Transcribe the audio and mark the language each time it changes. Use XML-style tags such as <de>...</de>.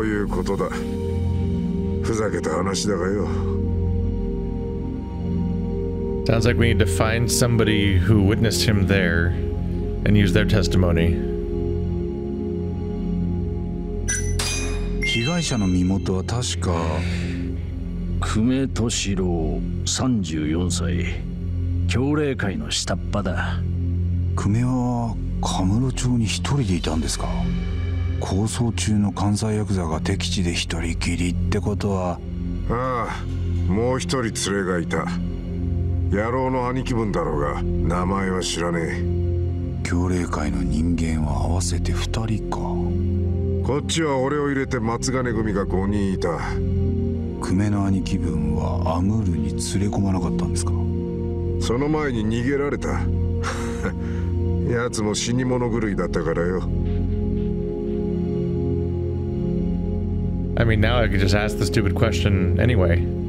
<ja>実際どこにいたんです？サウナだ。カムロ町のサウナ御殿。朝までずっとな。ただし、それを裏付ける証拠証言はなしですよね。あれば今頃逮捕されてない。そういうことだ。ふざけた話だがよ。</ja> <en>Sounds like we need to find somebody who witnessed him there and use their testimony.</en> <ja>被害者の身元は確か久米敏郎34歳、強霊会の下っ端だ。久米はカムロ町に一人でいたんですか？抗争中の関西ヤクザが敵地で一人きりってことは。ああ、もう一人連れがいた。野郎の兄貴分だろうが、名前は知らねえ。強霊会の人間は合わせて2人か。こっちは俺を入れて松金組が5人いた。久米の兄貴分はアムールに連れ込まなかったんですか？その前に逃げられた。奴も死に物狂いだったからよ。</ja> <en>I mean, now I could just ask the stupid question anyway.</en>